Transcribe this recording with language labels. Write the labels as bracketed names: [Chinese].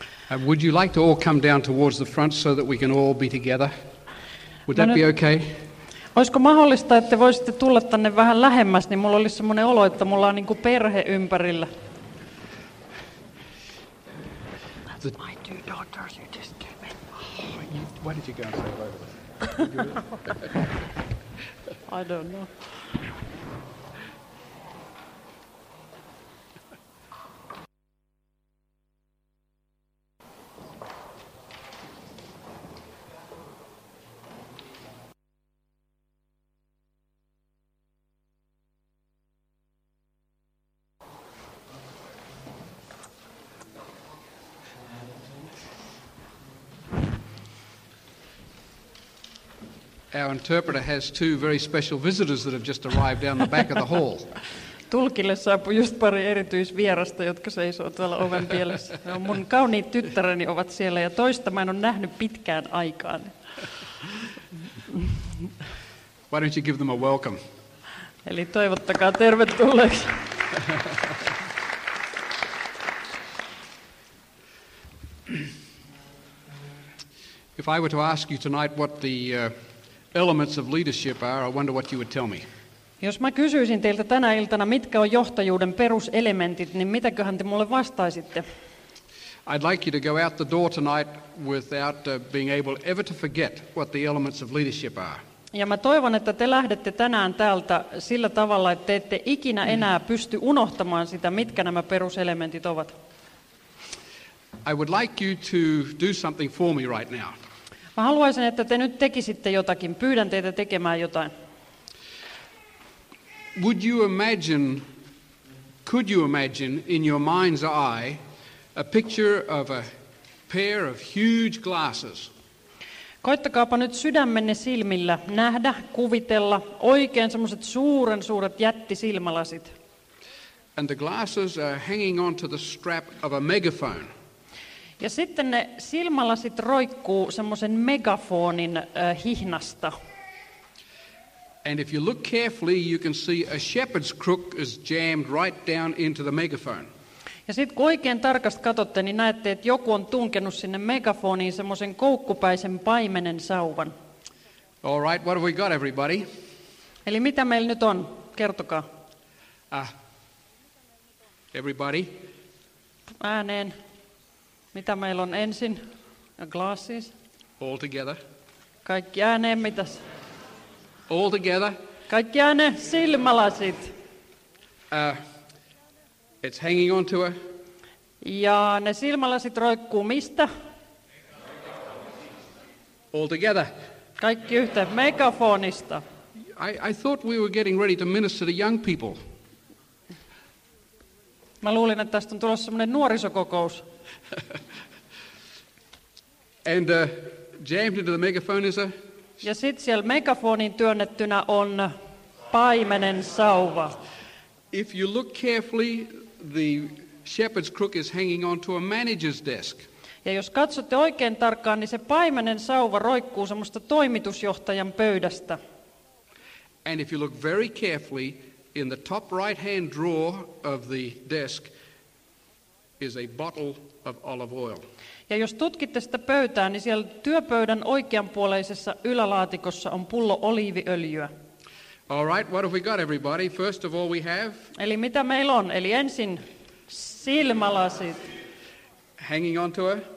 [English] Would you like to all come down towards the front so that we can all be together? Would that be okay? [Finnish] Olisiko mahdollista, että voisitte tulla tänne vähän lähemmäs, niin mulla olisi semmoinen olo, että mulla on niinku perhe ympärillä. [English] That's my two daughters, you just too many. Why did you go and say hello? I don't know. Our interpreter has two very special visitors that have just arrived down the back of the hall. [Finnish] Tulkille saapui just pari erityisvierasta, jotka seisoo tuolla oven pielessä. Mun kauniit tyttäreni ovat siellä ja toista mä en ole nähnyt pitkään aikaan. [English] Why don't you give them a welcome? [Finnish] Eli toivottakaa tervetulleeksi. [English] If I were to ask you tonight what the elements of leadership are, I wonder what you would tell me. [Finnish] Jos mä kysyisin teiltä tänä iltana, mitkä on johtajuuden peruselementit, niin mitäköhän te mulle vastaisitte? [English] I'd like you to go out the door tonight without being able ever to forget what the elements of leadership are. [Finnish] Ja mä toivon, että te lähdette tänään täältä sillä tavalla, että te ette ikinä enää pysty unohtamaan sitä, mitkä nämä peruselementit ovat. [English] I would like you to do something for me right now. [Finnish] Mä haluaisin, että te nyt tekisitte jotakin. Pyydän teitä tekemään jotain. [English] Would you imagine, could you imagine in your mind's eye a picture of a pair of huge glasses? [Finnish] Koittakaapa nyt sydämenne silmillä nähdä, kuvitella oikein semmoiset suuret jättisilmälasit. [English] And the glasses are hanging onto the strap of a megaphone. [Finnish] Ja sitten ne silmälasit roikkuu semmoisen megafonin hihnasta. [English] And if you look carefully, you can see a shepherd's crook is jammed right down into the megaphone. [Finnish] Ja sitten kun oikein tarkasti katsotte, niin näette, että joku on tunkenut sinne megafoniin semmoisen koukkupäisen paimenen sauvan. [English] All right, what have we got, everybody? [Finnish] Eli mitä meillä nyt on? Kertokaa. [English] Everybody? [Finnish] Ääneen. Mitä meillä on ensin? Glasses. [English] All together. [Finnish] Kaikki ääneen, mitäs? [English] All together. [Finnish] Kaikki ääneen, silmälasit. [English] It's hanging on to a... [Finnish] Ja ne silmälasit roikkuu mistä? [English] All together. [Finnish] Kaikki yhteen, megafonista. [English] I thought we were getting ready to minister to young people. [Finnish] Mä luulin, että tästä on tulossa semmoinen nuorisokokous. [English] And jammed into the megaphone is a... [Finnish] Ja sit siellä megafonin työnnettynä on paimenen sauva. [English] If you look carefully, the shepherd's crook is hanging on to a manager's desk. [Finnish] Ja jos katsotte oikein tarkkaan, niin se paimenen sauva roikkuu semmoista toimitusjohtajan pöydästä. [English] And if you look very carefully, in the top right-hand drawer of the desk is a bottle of olive oil. [Finnish] Ja jos tutkitte sitä pöytää, niin siellä työpöydän oikeanpuoleisessa ylälaatikossa on pullo oliiviöljyä. [English] All right, what have we got, everybody? First of all, we have... [Finnish] Eli mitä meillä on? Eli ensin silmälasit. [English] Hanging on to a...